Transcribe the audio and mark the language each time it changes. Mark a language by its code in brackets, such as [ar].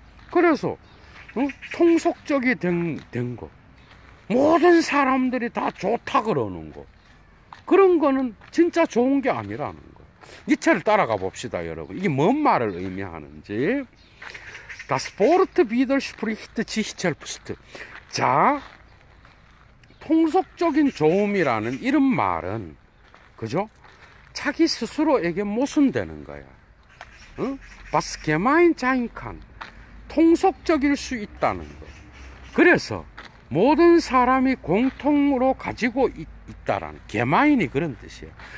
[ko] 그래서 통속적이 된 거, 모든 사람들이 다 좋다 그러는 거, 그런 거는 진짜 좋은 게 아니라는 거. 니체를 따라가 봅시다, 여러분. 이게 뭔 말을 의미하는지. [de] Das Wort widerspricht sich selbst. [ko] 자, 통속적인 좋음이라는 이런 말은, 그죠? 자기 스스로에게 모순되는 거야. [de] Was gemein sein kann. [ko] 통속적일 수 있다는 거. 그래서 모든 사람이 공통으로 가지고 있다라는, gemein이 그런 뜻이에요.